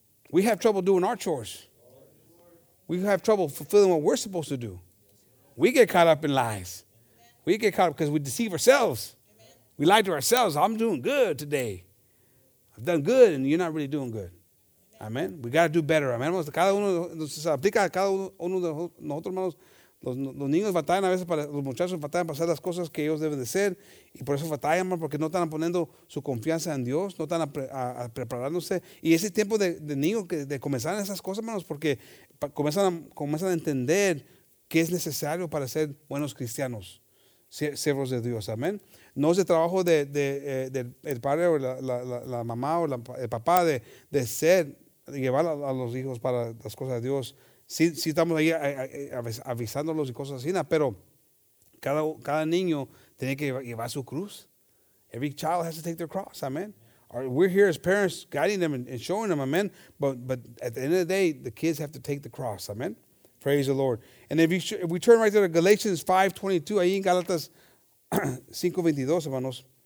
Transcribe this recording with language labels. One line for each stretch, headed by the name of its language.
English: We have trouble doing our chores. We have trouble fulfilling what we're supposed to do. We get caught up in lies. We get caught up because we deceive ourselves. We lie to ourselves. I'm doing good today. I've done good, and you're not really doing good. Amen. We got to do better. Amen.
Spanish: Cada uno nos aplica a cada uno de nosotros, hermanos. Los niños batallan a veces, para los muchachos batallan para hacer las cosas que ellos deben de ser. Y por eso batallan, hermano, porque no están poniendo su confianza en Dios, no están a preparándose. Y ese tiempo de niños, de comenzar esas cosas, hermanos, porque comienzan a entender qué es necesario para ser buenos cristianos, siervos de Dios. Amén. No es el trabajo del padre o la mamá o el papá de ser, de llevar a los hijos para las cosas de Dios. Sí estamos ahí avisándolos y cosas así, pero cada niño tiene que llevar su cruz.
English: Every child has to take their cross, amen. We're here as parents guiding them and showing them, amen. But at the end of the day, the kids have to take the cross, amen. Praise the Lord. And if we turn right there to Galatians 5:22,
Spanish: ahí en Galatas 5:22, hermanos.